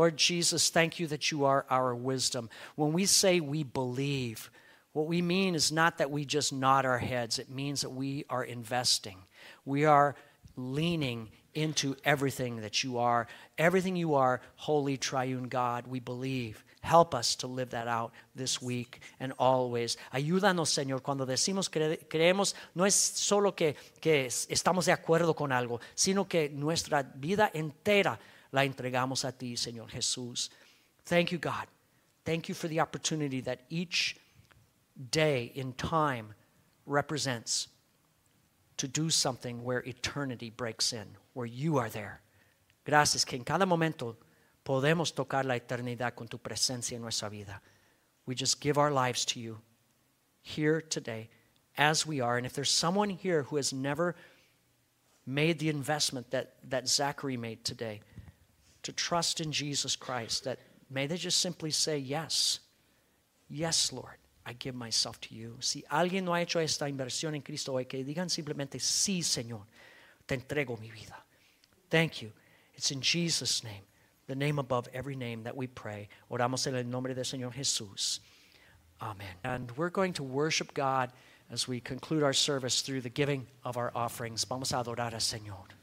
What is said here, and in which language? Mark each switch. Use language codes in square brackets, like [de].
[en] Lord Jesus, thank you that you are our wisdom. When we say we believe, what we mean is not that we just nod our heads. It means that we are investing. We are leaning into everything that you are. Everything you are, holy triune God, we believe. Help us to live that out this week and always. [es] Ayúdanos, Señor, cuando decimos creemos, no es solo que estamos de acuerdo con algo, sino que nuestra vida entera la entregamos a ti, Señor Jesús. [en] Thank you, God. Thank you for the opportunity that each day in time represents to do something where eternity breaks in, where you are there. [es] Gracias que en cada momento podemos tocar la eternidad con tu presencia en nuestra vida. [en] We just give our lives to you here today as we are. And if there's someone here who has never made the investment that Zachary made today to trust in Jesus Christ, that may they just simply say yes. Yes, Lord. I give myself to you. [es] Si alguien no ha hecho esta inversión en Cristo hoy, que digan simplemente, sí, Señor, te entrego mi vida. [en] Thank you. It's in Jesus' name, the name above every name, that we pray. [es] Oramos en el nombre del Señor Jesús. Amen. [en] And we're going to worship God as we conclude our service through the giving of our offerings. [es] Vamos a adorar al Señor.